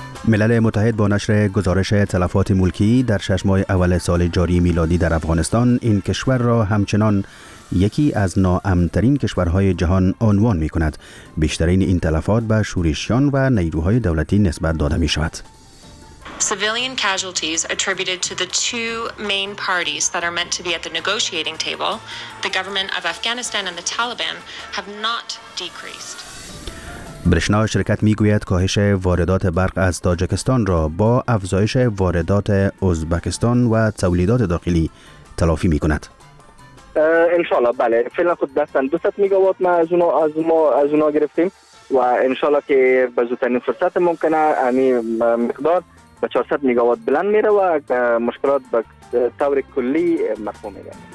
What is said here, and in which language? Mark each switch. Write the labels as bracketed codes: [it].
[fa] ملل متحد با نشر گزارش تلفات ملکی در 6 ماه اول سال جاری میلادی در افغانستان، این کشور را همچنان یکی از ناامن‌ترین کشورهای جهان عنوان می‌کند. بیشترین این تلفات به شورشیان و نیروهای دولتی نسبت داده می‌شود. [en] Civilian casualties attributed to the two main parties that are meant to be at the negotiating table, the government of Afghanistan and the Taliban, have not decreased. [fa] برشنا شرکت میگوید کاهش واردات برق از تاجیکستان را با افزایش واردات ازبکستان و تولیدات داخلی تلافی میکند. ان شاء الله بله، فعلا خود دستن 200 میگاوات ما از اونها گرفتیم و ان شاء الله که به زودترین فرصت ممکنه همین مقدار به 400 میگاوات بلند میره و مشکلات به طور کلی مفهوم میگه.